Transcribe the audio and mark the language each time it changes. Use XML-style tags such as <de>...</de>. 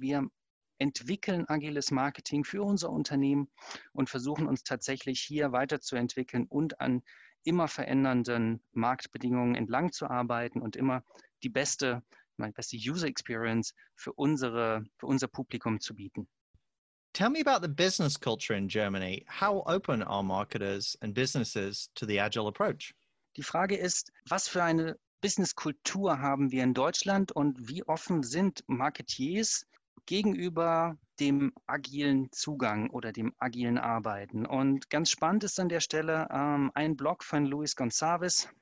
<de>Wir entwickeln agiles Marketing für unser Unternehmen und versuchen uns tatsächlich hier weiterzuentwickeln und an immer verändernden Marktbedingungen entlang zu arbeiten und immer die beste User Experience für unser Publikum zu bieten.</de> <en>Tell me about the business culture in Germany. How open are marketers and businesses to the agile approach?</en> <de>Die Frage ist, was für eine Business-Kultur haben wir in Deutschland und wie offen sind Marketiers gegenüber dem agilen Zugang oder dem agilen Arbeiten? Und ganz spannend ist an der Stelle ein Blog von Luis Gonzalez.</de>